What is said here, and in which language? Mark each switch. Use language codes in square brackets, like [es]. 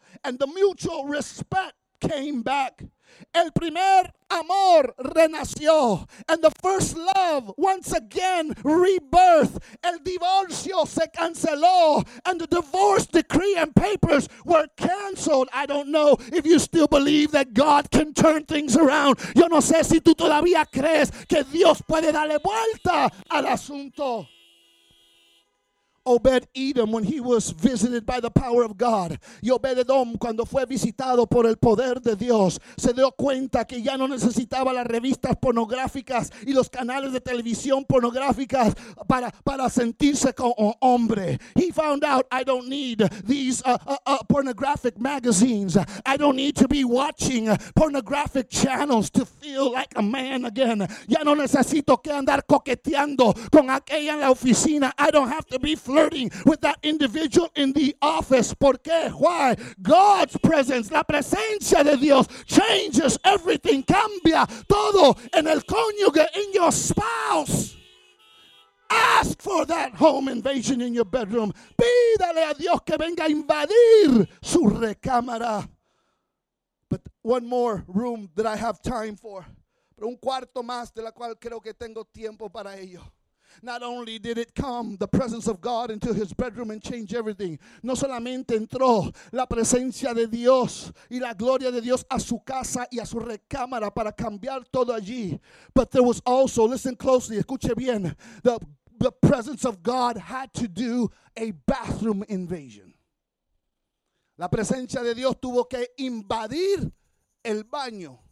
[en] And the mutual respect came back. [es] El primer amor renació. [en] And the first love once again rebirth. [es] El divorcio se canceló. [en] And the divorce decree and papers were canceled. I don't know if you still believe that God can turn things around. [es] Yo no sé si tú todavía crees que Dios puede darle vuelta al asunto. [en] Obed-Edom, when he was visited by the power of God. [es] Y Obed-Edom, cuando fue visitado por el poder de Dios, se dio cuenta que ya no necesitaba las revistas pornográficas y los canales de televisión pornográficas para sentirse como hombre. [en] He found out, I don't need these pornographic magazines. I don't need to be watching pornographic channels to feel like a man again. [es] Ya no necesito que andar coqueteando con aquella en la oficina. [en] I don't have to be flirting with that individual in the office. [es] ¿Por qué? [en] Why? God's presence, [es] la presencia de Dios, [en] changes everything, [es] cambia todo en el cónyuge, [en] in your spouse. Ask for that home invasion in your bedroom. [es] Pídale a Dios que venga a invadir su recámara. [en] But one more room that I have time for. [es] Pero un cuarto más de la cual creo que tengo tiempo para ello. [en] Not only did it come, the presence of God, into his bedroom and change everything. [es] No solamente entró la presencia de Dios y la gloria de Dios a su casa y a su recámara para cambiar todo allí. [en] But there was also, listen closely, [es] escuche bien, [en] the presence of God had to do a bathroom invasion. [es] La presencia de Dios tuvo que invadir el baño.